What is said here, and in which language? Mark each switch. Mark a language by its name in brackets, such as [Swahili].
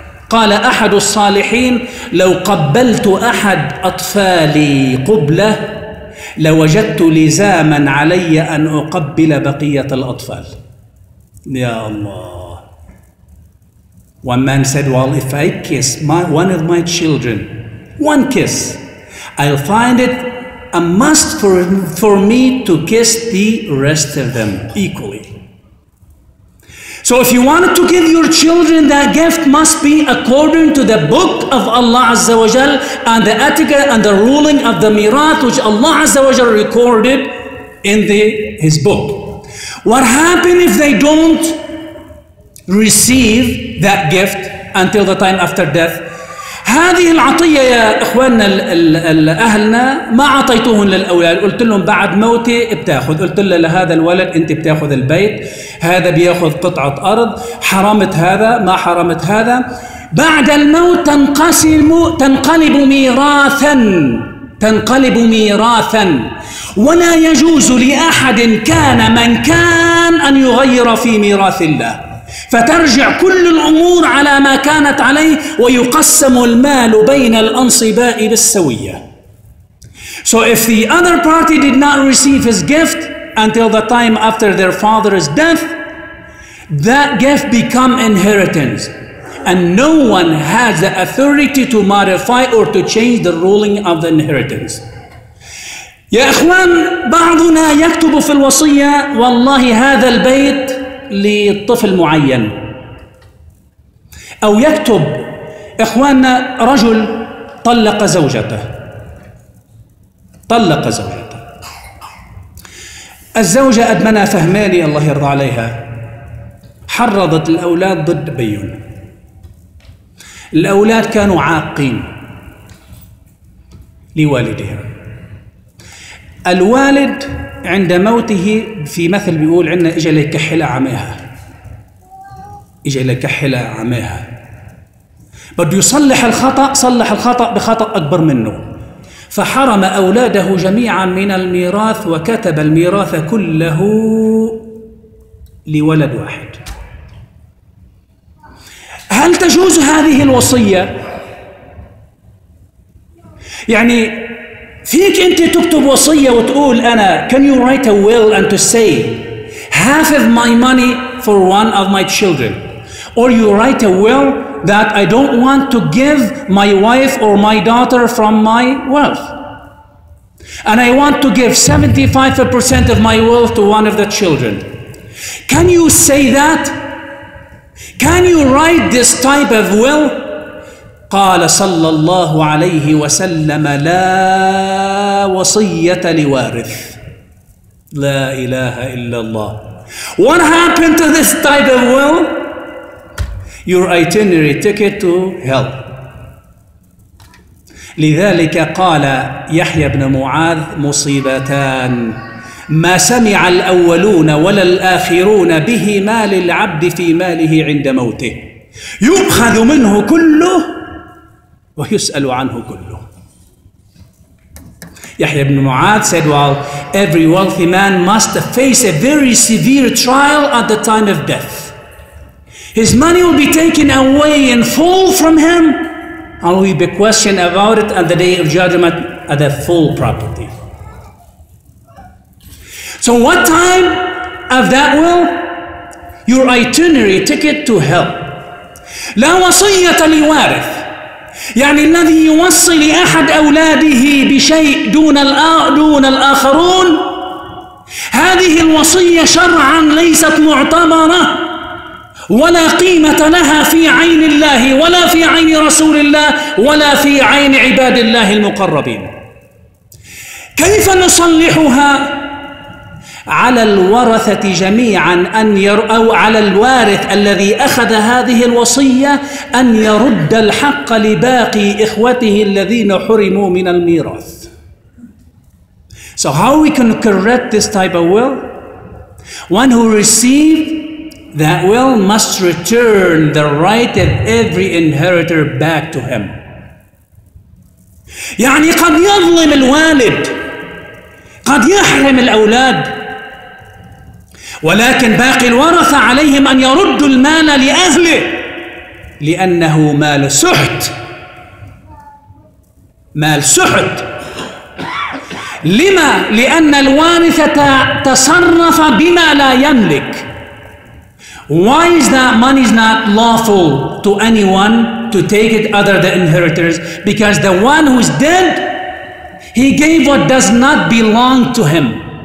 [Arabic] قال أحد الصالحين لو قبلت أحد أطفالي قبلة لوجدت لزاما علي أن أقبل بقية الأطفال. يا الله. [English] One man said, well, if I kiss one of my children, one kiss, I'll find it a must for me to kiss the rest of them equally. So if you wanted to give your children that gift, must be according to the book of Allah Azza wa Jal and the etiquette and the ruling of the mirath which Allah Azza wa Jal recorded in his book. What happened if they don't receive that gift until the time after death? [Arabic] هذه العطية يا إخواننا أهلنا ما عطيتوهن للأولاد، قلت لهم بعد موتي بتاخذ، قلت له لهذا الولد أنت بتاخذ البيت، هذا بياخذ قطعة أرض، حرمت هذا ما حرمت هذا، بعد الموت تنقسم تنقلب ميراثا تنقلب ميراثا، ولا يجوز لأحد كان من كان أن يغير في ميراث الله، فترجع كل الأمور على ما كانت عليه، ويقسم المال بين الأنصباء بالسوية. So if the other party did not receive his gift until the time after their father's death, that gift become inheritance, and no one has the authority to modify or to change the ruling of the inheritance. يا إخوان، بعضنا يكتب في الوصية والله هذا البيت لطفل معين، أو يكتب إخواننا رجل طلق زوجته، طلق زوجته، الزوجة أدمنا فهماني الله يرضى عليها، حرضت الأولاد ضد بيون، الأولاد كانوا عاقين لوالدهم، الوالد عند موته في مثل بيقول عنا إجا ليكحل عميها، إجا ليكحل عميها، بده يصلح الخطأ، صلح الخطأ بخطأ أكبر منه، فحرم أولاده جميعا من الميراث وكتب الميراث كله لولد واحد. هل تجوز هذه الوصية؟ يعني فيك أنت تكتب وصية وتقول أنا [English] can you write a will and to say half of my money for one of my children, or you write a will that I don't want to give my wife or my daughter from my wealth and I want to give 75% of my wealth to one of the children. Can you say that? Can you write this type of will? [Arabic] قال صلى الله عليه وسلم لا وصية لوارث. لا إله إلا الله. [English] What happened to this type of will? Your itinerary ticket to hell. [Arabic] لذلك قال يحيى بن معاذ مصيبتان ما سمع الأولون ولا الآخرون به مال العبد في ماله عند موته، يؤخذ منه كله ويسأل عنه كله. [English] يحيى بن معاذ said, well, every wealthy man must face a very severe trial at the time of death. His money will be taken away in full from him and will be questioned about it on the day of judgment at the full property. So what time of that will? Your itinerary ticket to hell. [Arabic] لا وصية لوارث، يعني الذي يوصي لأحد أولاده بشيء دون الآخرون، هذه الوصية شرعا ليست معتبرة ولا قيمة لها في عين الله ولا في عين رسول الله ولا في عين عباد الله المقربين. كيف نصلحها؟ على الورثة جميعا أن أو على الوارث الذي أخذ هذه الوصية أن يرد الحق لباقي إخوته الذين حرموا من الميراث. [English] So how we can correct this type of will? One who received that will must return the right of every inheritor back to him. [Arabic] يعني قد يظلم الوالد، قد يحرم الأولاد، ولكن باقي الورثة عليهم أن يردوا المال لأهله، لأنه مال سحت، مال سحت. لما؟ لأن الوارثة تصرف بما لا يملك. [English] Why is that money is not lawful to anyone to take it other than inheritors? Because the one who is dead, he gave what does not belong to him.